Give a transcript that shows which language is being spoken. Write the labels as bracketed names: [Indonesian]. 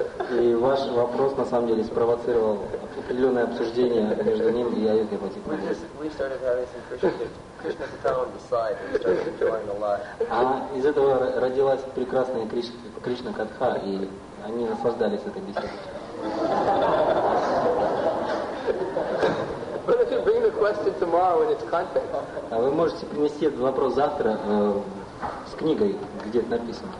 [Russian] И ваш вопрос на самом деле спровоцировал определенное обсуждение между ним и Аюдхи Патипати. [English] We started having some Krishna on the side and started enjoying the life. [Russian] А из этого родилась прекрасная Кришна Катха и они наслаждались этой беседой. [English] But if you bring the question tomorrow in its context. [Russian] А вы можете принести этот вопрос завтра с книгой, где это написано.